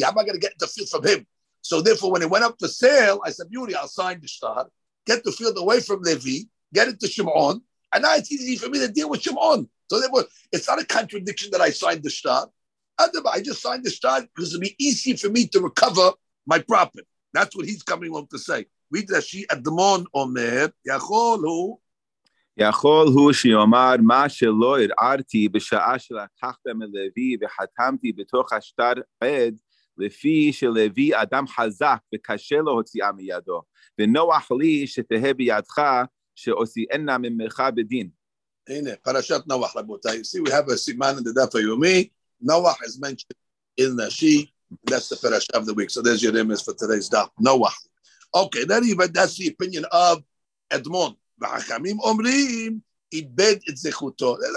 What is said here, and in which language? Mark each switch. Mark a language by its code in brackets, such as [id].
[en] How am I going to get the field from him? So therefore, when it went up for sale, I said, beauty, I'll sign the shtar, get the field away from Levi, get it to Shimon, and now it's easy for me to deal with Shimon. So therefore, it's not a contradiction that I signed the shtar. I just signed the shtar because it'll be easy for me to recover my property. That's what he's coming on to say. Read that [he] she admon omer, yachol hu. יאכול הוא שיאמר מה שלא הרארתי בשעה שלקחת מלוי וחתמתי בתוך השטר עד לפי שלוי אדם חזק וקשה להוציאה מידו ונוח לי שתהה בידך שאוסיאנה ממך בדין. הנה פרשת נוח רבותיי. [en] You see, we have a סימן in the דף היומי. Noach is mentioned in the she. That's the parasha of the week. So there's your remez for today's daf. Noach. Okay, that's the opinion of Admon. [he] והחכמים אומרים, איבד את זכותו.